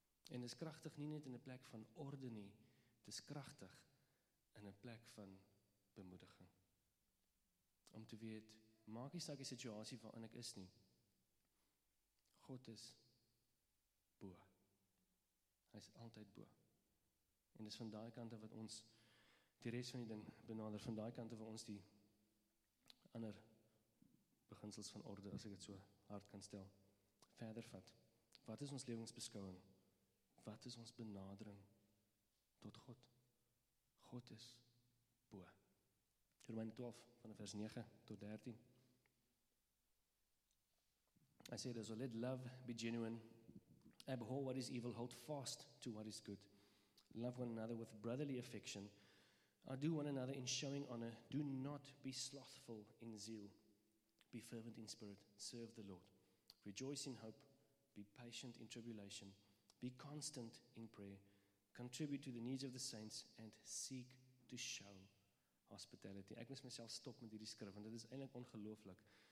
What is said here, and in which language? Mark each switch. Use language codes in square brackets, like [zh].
[af] En is krachtig nie net in een plek van orde nie, het is krachtig in een plek van bemoediging. Om te weet, maak nie saak die situasie waarin ek is nie. God is bo. Hy is altyd bo. En dis van daai kant wat ons die rest van die ding benader, van daai kant wat ons die ander beginsels van orde, as ek het so hard kan stel, verder vat. Wat is ons lewensbeskouing? Wat is ons benadering tot God? God is bo. Romeine 12, van vers 9 tot 13. [en] I say this, so let love be genuine. Abhor what is evil, hold fast to what is good. Love one another with brotherly affection. Outdo one another in showing honor. Do not be slothful in zeal. Be fervent in spirit. Serve the Lord. Rejoice in hope. Be patient in tribulation. Be constant in prayer. Contribute to the needs of the saints and seek to show hospitality. [af] Ek moet myself stop met hierdie skrif, want dit is eintlik ongelooflik.